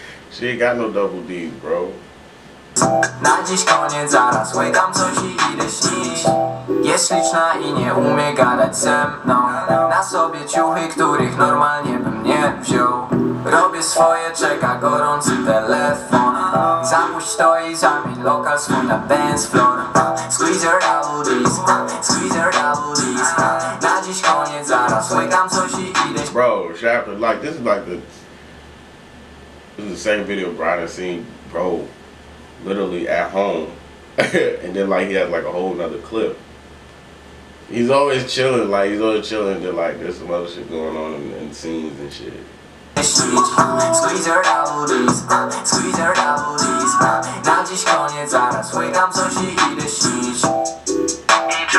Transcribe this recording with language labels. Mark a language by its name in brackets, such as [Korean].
[English] She ain't got no double D's, bro. [Polish] Na dziś koniec, zaraz łykam coś i idę śnić. Jest śliczna i nie umie gadać ze mną. Na sobie ciuchy, których normalnie bym nie wziął. Robię swoje, czeka gorący telefon. Zapuść to i zamień lokal swój na dance floor. [English] Squeeze her double D's, squeeze her double D's. [Polish] Na dziś koniec, zaraz łykam coś i idę śnić. [English] Bro, Schafter, like, this is like the... This is the same video, bro, I done seen, bro. Literally at home, and then like he has like a whole nother clip. He's always chilling, like he's always chilling. And then like there's some other shit going on in scenes and shit. Squeeze her double D's, squeeze her double D's. [Polish] Now dziś koniec, zaraz wykam coś i idę śnić.